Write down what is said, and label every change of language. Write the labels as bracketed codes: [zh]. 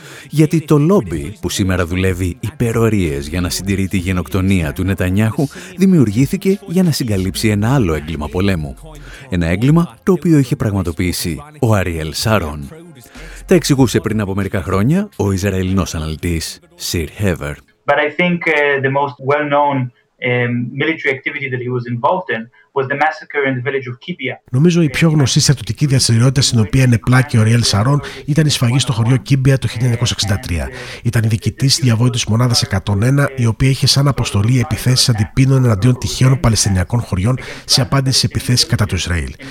[el] Γιατί το λόμπι που σήμερα δουλεύει υπερορίες για να συντηρεί τη γενοκτονία του Νετανιάχου δημιουργήθηκε για να συγκαλύψει ένα άλλο έγκλημα πολέμου. Ένα έγκλημα το οποίο είχε πραγματοποιήσει ο Αριέλ Σαρόν. Τα εξηγούσε πριν από μερικά χρόνια ο Ισραηλινός αναλυτής Σιρ Χέβερ. [en] But I think the most well-known military activity that he was involved in. [el] Νομίζω η πιο γνωστή στρατιωτική δραστηριότητα στην οποία ενεπλάκει ο Αριέλ Σαρόν ήταν η σφαγή στο χωριό Κίμπια το 1963. Ήταν η διοικητής της διαβόητης μονάδας 101, η οποία είχε σαν αποστολή επιθέσεις αντιπίνων εναντίον τυχαίων Παλαιστινιακών χωριών σε απάντηση σε επιθέσεις κατά του Ισραήλ.